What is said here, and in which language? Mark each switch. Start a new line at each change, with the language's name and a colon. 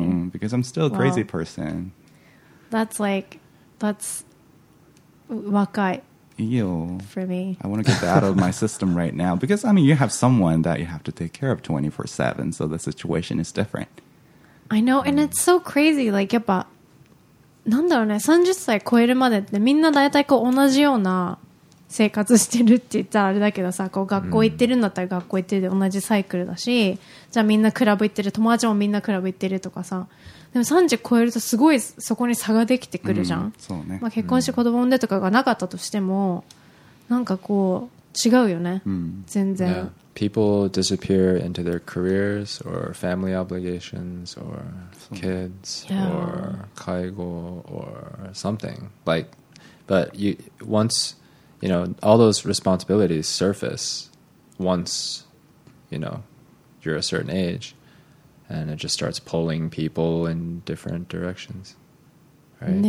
English: Mm, because I'm still a crazy person. That's like, that's 若い. Ew. For me. I want to get that out of my system right now. Because, I mean, you have someone that you have to take care of 24-7, so the situation is different. I know, and it's so crazy.
Japanese: Like, やっぱ、なんだろうね、30歳超えるまでってみんな大体こう同じような生活してるって言ったらあれだけどさ、こう学校行ってるんだったら学校行ってるで同じサイクルだし、じゃあみんなクラブ行ってる、友達もみんなクラブ行ってるとかさ、でも30超えるとすごいそこに差ができてくるじゃん、うん、そうね、まあ、結婚して子供産んでとかがなかったとしても、うん、なんかこう違うよね、うん、全然、
English: yeah. People disappear into their careers or family obligations or kids、 yeah. or 介護 or something like, but you, once you know all those responsibilities surface once you know you're a certain ageAnd it just starts pulling people in different directions, right?